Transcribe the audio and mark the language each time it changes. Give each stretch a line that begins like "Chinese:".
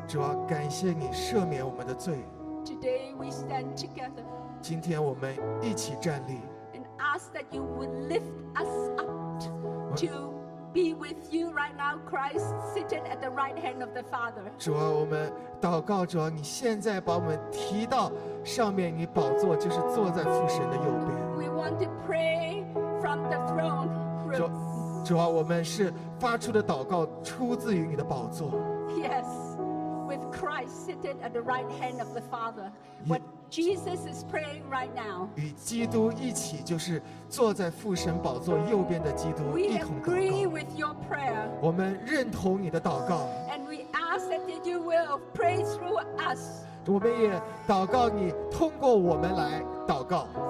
Chinese: 主啊，感谢你赦免我们的罪。
English: Today we stand together.
Chinese: 今天我们一起站立。
English: And ask that you would lift us up to be with you right now, Christ, seated at the right hand of the Father.
Chinese: 主啊，我们祷告，主啊，你现在把我们提到上面，你宝座就是坐在父神的右边。
English: We want to pray from the throne.
Chinese: 主啊，我们是发出的祷告出自于你的宝座。
English: Yes, with Christ seated at the right hand of the Father. What Jesus is praying right now.
Chinese: 与基督一起，就是坐在父神宝座右边的基督一同祷告。
English: We agree with your prayer.
Chinese: 我们认同你的祷告。
English: And we ask that you will pray through us.
Chinese: 我们也祷告你通过我们来祷告。